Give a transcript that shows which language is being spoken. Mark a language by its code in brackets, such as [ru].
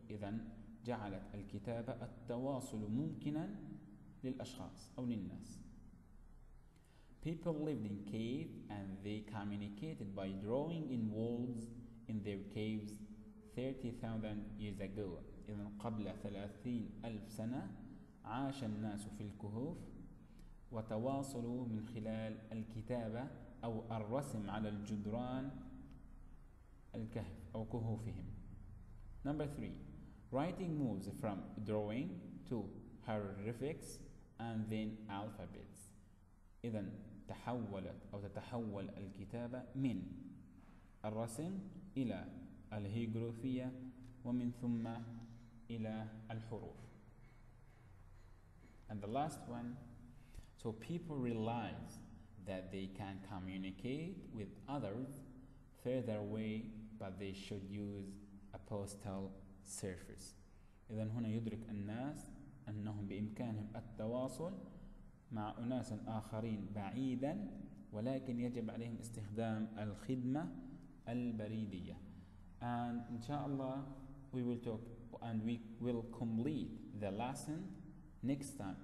[ar] إذن جعلت الكتابة التواصل ممكنا للأشخاص أو للناس. [en] People lived in caves and they communicated by drawing in walls in their caves 30,000 years ago. [ar] إذن قبل 30,000 سنة عاش الناس في الكهوف وتواصلوا من خلال الكتابة أو الرسم على الجدران الكهف أو كهوفهم. [en] Number three, writing moves from drawing to hieroglyphics and then alphabets. [ar] إذن تحولت أو تتحول الكتابة من الرسم إلى الهيروغليفية ومن ثم إلى الحروف. [en] And the last one, so people realize that they can communicate with others further away, but they should use a postal service. [ar] إذن هنا يدرك الناس أنهم بإمكانهم التواصل مع أناس آخرين بعيدا ولكن يجب عليهم استخدام الخدمة البريدية. [en] And inshallah we will talk and we will complete the lesson next time.